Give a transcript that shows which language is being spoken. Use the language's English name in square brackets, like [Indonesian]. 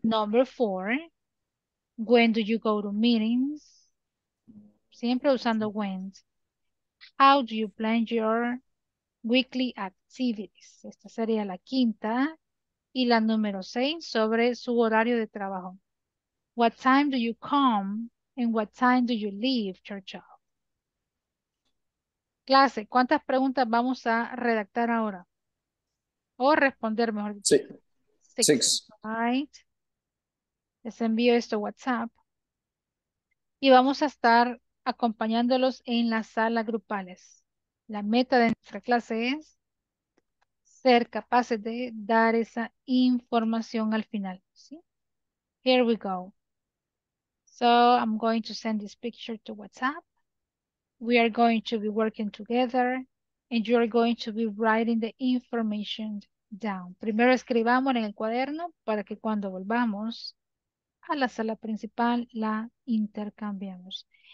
[English] Number four. When do you go to meetings? [Spanish] Siempre usando when. [English] How do you plan your weekly activities? [Spanish] Esta sería la quinta. Y la número seis sobre su horario de trabajo. [English] What time do you come and what time do you leave your job? [Spanish] Clase, ¿cuántas preguntas vamos a redactar ahora? O responder mejor. [English] Six. [Spanish] Right. Les envío esto WhatsApp. Y vamos a estar acompañándolos en las salas grupales. La meta de nuestra clase es ser capaces de dar esa información al final, ¿sí? [English] Here we go. So I'm going to send this picture to WhatsApp. We are going to be working together and you are going to be writing the information down. [Spanish] Primero escribamos en el cuaderno para que cuando volvamos a la sala principal la intercambiamos.